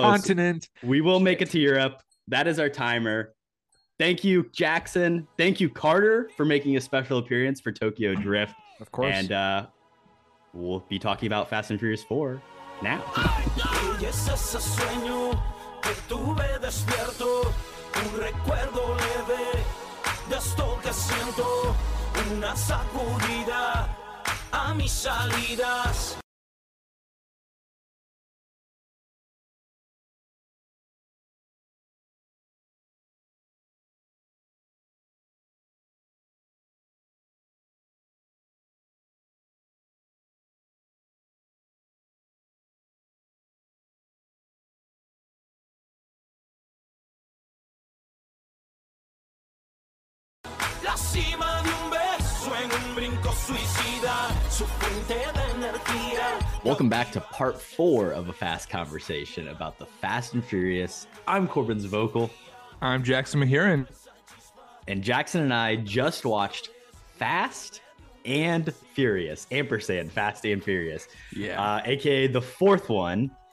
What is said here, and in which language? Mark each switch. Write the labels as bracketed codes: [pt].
[en] Continent. We will make it to Europe. That is our timer. Thank you, Jackson. Thank you, Carter, for making a special appearance for Tokyo Drift. Of course. And we'll be talking about Fast and Furious 4 now. [es] Estuve despierto, un recuerdo leve de esto que siento, una sacudida a mis salidas. la cima de un beso en un brinco suicida, su fuente de energía. [en] Welcome back to part four of a fast conversation about the Fast and Furious. I'm Corbin's vocal. I'm Jackson Mahuron. And Jackson and I just watched Fast and Furious, ampersand Fast and Furious, aka the fourth one.